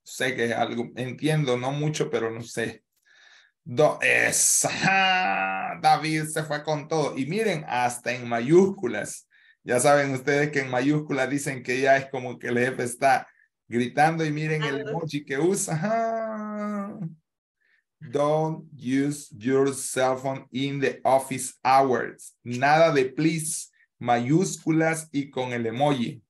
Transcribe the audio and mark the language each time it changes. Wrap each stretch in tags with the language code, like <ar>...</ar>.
<es>Sé que algo entiendo, no mucho, pero no sé. David se fue con todo. Y miren, hasta en mayúsculas. Ya saben ustedes que en mayúsculas dicen que ya es como que el jefe está gritando. Y miren el emoji que usa.</es> <en>Don't use your cell phone in the office hours.</en> <es>Nada de please, mayúsculas y con el emoji.</es>